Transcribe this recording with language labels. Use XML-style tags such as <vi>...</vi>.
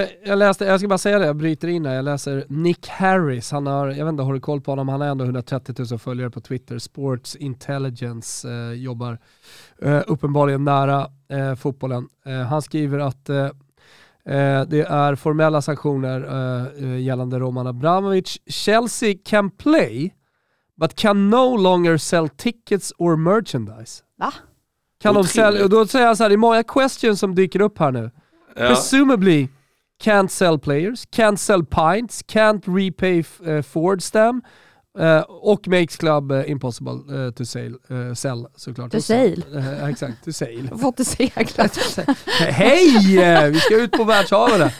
<sv>Jag ska bara säga det, jag bryter in här. Jag läser Nick Harris, jag vet inte, har du koll på honom? Han har ändå 130 000 följare på Twitter. Sports Intelligence jobbar uppenbarligen nära fotbollen. Han skriver att det är formella sanktioner gällande Roman Abramovich.</sv> <en>Chelsea can play, but can no longer sell tickets or merchandise.</en> <sv>Va? Kan de sälja? Då säger jag så här, det är många questions som dyker upp här nu. Ja.</sv> <en>Presumably can't sell players, can't sell pints, can't repay Ford Stam, och makes club impossible to sell såklart. To sale. Exakt, to sale.</en> <sv>Vad du säger, klart. Hej, vi ska ut på världshaven.</sv>